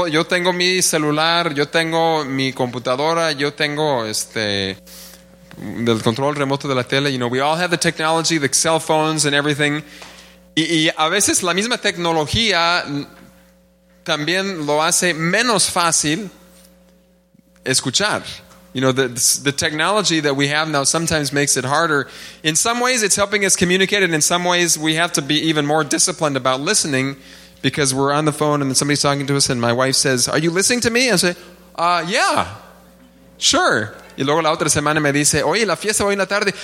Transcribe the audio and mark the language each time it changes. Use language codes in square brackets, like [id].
[es] Yo tengo mi celular, yo tengo mi computadora, yo tengo del control remoto de la tele. [en] You know, we all have the technology, the cell phones and everything. [es] Y a veces la misma tecnología también lo hace menos fácil escuchar. [en] You know, the technology that we have now sometimes makes it harder. In some ways, it's helping us communicate, and in some ways, we have to be even more disciplined about listening because we're on the phone and somebody's talking to us, and my wife says, "Are you listening to me?" I say, "Yeah, sure." [es] Y luego la otra semana me dice, "Oye, la fiesta hoy en la tarde.